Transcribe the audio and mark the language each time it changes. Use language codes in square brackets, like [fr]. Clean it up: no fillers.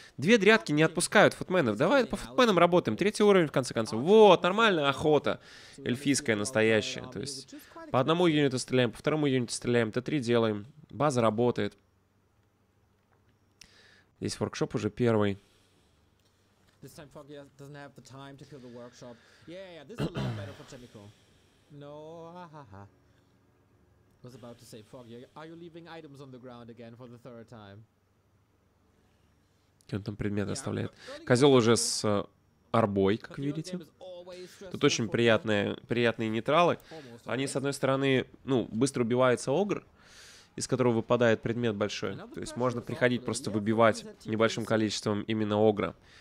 [ru] Две дрядки не отпускают футменов. Давай по футменам работаем. Третий уровень, в конце концов. Вот, нормальная охота. Эльфийская, настоящая. То есть... По одному юниту стреляем, по второму юниту стреляем, Т3 делаем. База работает. Здесь воркшоп уже первый. [en] This time Foggy doesn't have the time to kill the workshop. Yeah, yeah, yeah, this is a lot better for Chemico. No, ha-ha-ha. I was about to say, Foggy, are you leaving items on the ground again for the third time? [ru] И он там предметы оставляет. Козел уже с арбой, как видите. Тут очень приятные нейтралы. Они, с одной стороны, ну, быстро убивается огр, из которого выпадает предмет большой. То есть можно приходить просто выбивать небольшим количеством именно огра.